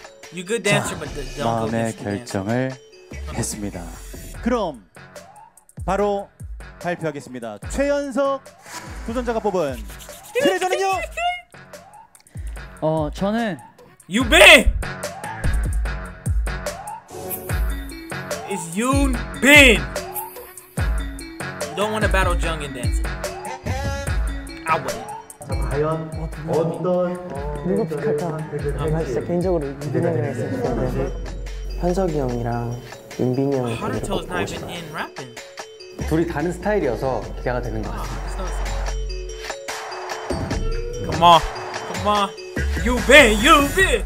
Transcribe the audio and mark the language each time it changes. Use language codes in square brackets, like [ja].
[en] You good dancer, but don't go against the dancer. [ko] 마음의 결정을 했습니다. 그럼 바로 발표하겠습니다. 최연석 도전자가 뽑은 트레저는요? 저는 윤비! [en] It's Yoonbin! You don't want to battle Jungin dancing. I wouldn't. [ko] 과연 어떤 누구 픽할까? 제가 진짜 개인적으로 윤빈이랑 현석이 형이랑 윤빈이 형 노래를 보고 싶어요. 둘이 다른 스타일이어서 기대가 되는 것 같아요. [en] Come on, come on, Yoonbin, Yoonbin.